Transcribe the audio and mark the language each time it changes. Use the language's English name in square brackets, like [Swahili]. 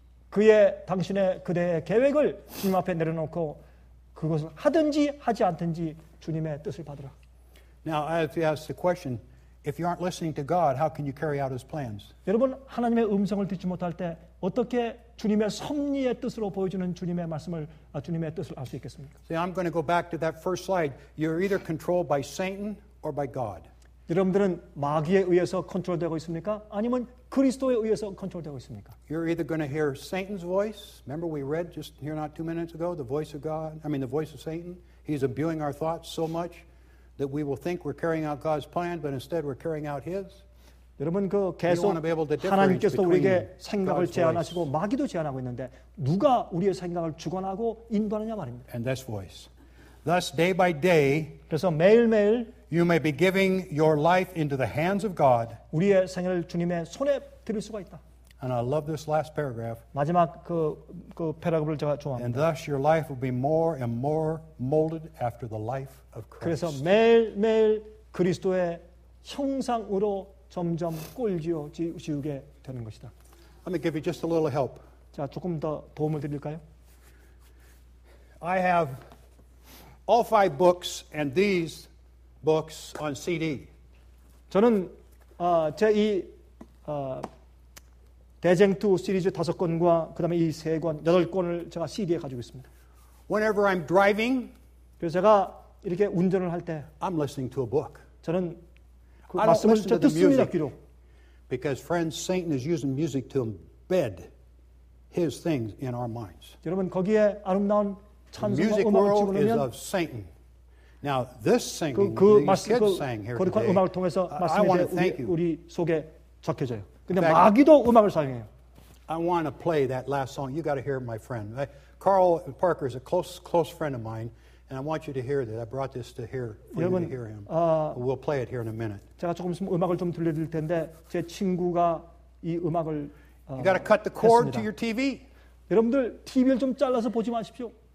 [Korean] 그의 당신의 그대의 계획을 주님 앞에 내려놓고 그것을 하든지 하지 않든지 주님의 뜻을 받으라. [English] Now I have to ask the question: If you aren't listening to God, how can you carry out His plans? [Korean] 여러분 하나님의 음성을 듣지 못할 때 어떻게 주님의 섭리의 뜻으로 보여주는 주님의 말씀을 주님의 뜻을 알 수 있겠습니까? [English] See, I'm going to go back to that first slide. You're either controlled by Satan or by God. [Korean] 여러분들은 마귀에 의해서 컨트롤되고 있습니까? 아니면 그리스도에 의해서 컨트롤되고 있습니까? [English] You're either going to hear Satan's voice. Remember we read just here not 2 minutes ago, the voice of God. I mean the voice of Satan. He's imbuing our thoughts so much that we will think we're carrying out God's plan, but instead we're carrying out His. [Korean] 여러분 그 계속 하나님께서 우리에게 생각을 제안하시고 마귀도 제안하고 있는데 누가 우리의 생각을 주관하고 인도하느냐 말입니다. [English] And this voice. Thus day by day. [Korean] 그래서 매일매일 [English] You may be giving your life into the hands of God. [Korean] 우리의 생애를 주님의 손에 드릴 수가 있다. [English] And I love this last paragraph. [Korean] 마지막 그 패러그를 제가 좋아합니다. [English] And thus your life will be more and more molded after the life of Christ. [Korean] 그래서 매일매일 그리스도의 형상으로 점점 꼴지어 지우게 되는 것이다. [English] Let me give you just a little help. [Korean] 자, 조금 더 도움을 드릴까요? [English] I have all 5 books and these books on CD. [Korean] 저는 제 이 대쟁투 시리즈 다섯 권과 그다음에 이 세 권, 여덟 권을 제가 CD에 가지고 있습니다. [English] Whenever I'm driving, [Korean] 그래서 제가 이렇게 운전을 할 때 [English] I'm listening to a book. [Korean] 저는 그 말씀을 듣고 듣습니다, 귀로. [English] Because friends, Satan is using music to embed his things in our minds. [Korean] 여러분 거기에 아름다운 찬송과 [English] music [Korean] 음악을 [English] world [Korean] 집어넣으면 [English] is of Satan. Now this singing, these kids sang here today. [Korean] 그 음악을 통해서 말씀이 우리 속에 적혀져요. 근데 마귀도 음악을 사용해요. [English] I want to play that last song. You got to hear my friend. Carl Parker is a close friend of mine, and I want you to hear that. I brought this to hear for you to hear him. We'll play it here in a minute. [Korean] 제가 조금 있으면 음악을 좀 들려드릴 텐데 제 친구가 이 음악을 [English] You got to cut the cord to your TV. [Korean] 여러분들 TV를 좀 잘라서 보지 마십시오.